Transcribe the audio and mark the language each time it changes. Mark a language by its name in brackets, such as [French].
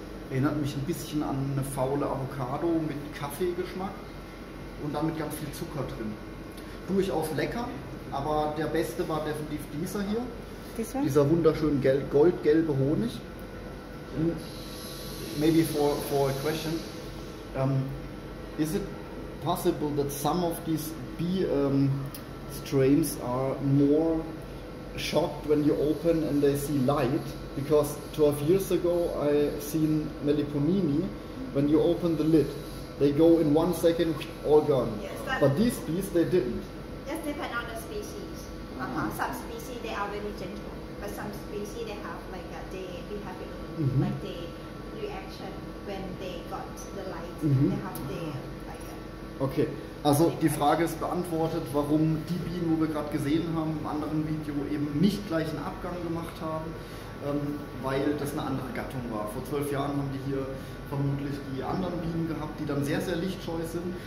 [German] Erinnert mich ein bisschen an eine faule Avocado mit Kaffeegeschmack und dann mit ganz viel Zucker drin. Durchaus lecker. Aber der beste war definitiv dieser hier, [English] This one? [German] dieser wunderschönen goldgelbe Honig. [English] Maybe for a question. Is it possible that some of these bee strains are more shocked when you open and they see light? Because 12 years ago I seen Meliponini, when you open the lid, they go in 1 second all gone. Yes, But these bees, they didn't. Yes, depend on the species. Ah. Some species they are very gentle, but some species they have like a, they behaving like the reaction when they got the light. They have the [German] Okay, also die Frage ist beantwortet, warum die Bienen, wo wir gerade gesehen haben, im anderen Video eben nicht gleich einen Abgang gemacht haben, weil das eine andere Gattung war. Vor 12 Jahren haben die hier vermutlich die anderen Bienen gehabt, die dann sehr, sehr lichtscheu sind.